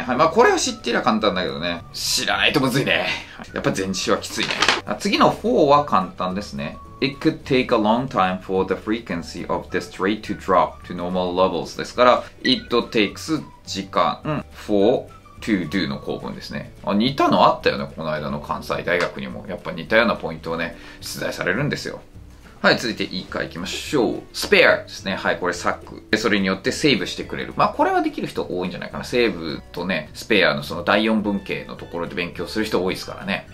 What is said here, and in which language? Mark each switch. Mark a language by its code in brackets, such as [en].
[ja] はい、まあこれを知っていれば簡単だけどね。知らないとむずいね。やっぱ前置詞はきついね。次の4は簡単ですね。 [en] It could take a long time for the frequency of this rate to drop to normal levels. [ja] ですから、It takes 時間 for to do の構文ですね。あ、似たのあったよね、この間の関西大学にも。やっぱ似たようなポイントをね、出題されるんですよ。はい、続いて E からいきましょう。spare ですね。はい、これサック。それによってセーブしてくれる。まあ、これはできる人多いんじゃないかな。セーブとね、spare のその第4文型のところで勉強する人多いですからね。